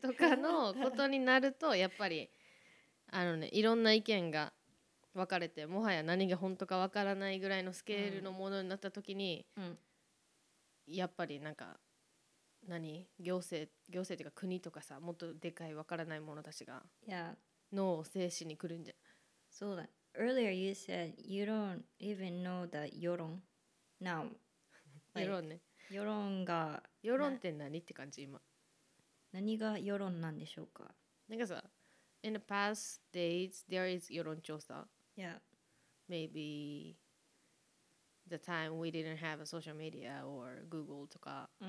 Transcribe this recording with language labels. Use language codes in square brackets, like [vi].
[ja] とかのことになるとやっぱりあのね、いろんな意見が分かれて、もはや何が本当か分からないぐらいのスケールのものになった時に、うんうん、やっぱりなんか何行政というか国とかさ、もっとでかい分からないものたちが脳を制止に来るんじゃ。そうだ、 [en] Earlier you said you don't even know the 世論 now. [ja] 世論ね、世論が、世論って何って感じ今。何が世論なんでしょうか。なんかさ、 [en] In the past days, there is 世論調査。 Yeah. Maybe the time we didn't have a social media or Google とか。